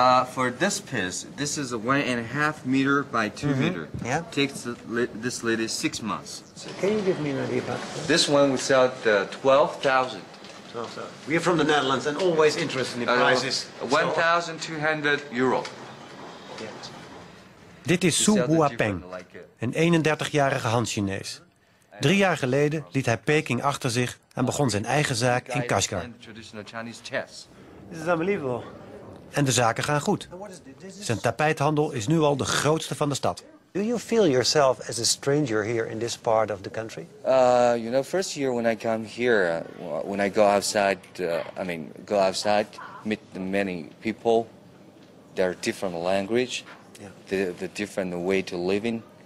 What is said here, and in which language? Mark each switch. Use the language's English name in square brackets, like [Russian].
[English] For this piece, this is a 1.5 meter by 2 meter. Yeah. Takes this lady 6 months. Can you give me an idea about this? This one we sell at 12,000. Oh, we are from the Netherlands and always interested in the prices. 1,200 euro. Yes. [Dutch] Dit is Su Huapeng, een 31-jarige Han-Chinees. 3 jaar geleden liet hij Peking achter zich en begon zijn eigen zaak in Kashgar. [English] This is unbelievable. [Dutch] En de zaken gaan goed. Zijn tapijthandel is nu al de grootste van de stad. [English] Do you feel yourself as a stranger here in this part of the country? You know, first year when I come here, when I go outside, go outside, meet the many people, their different language, the different way to live in.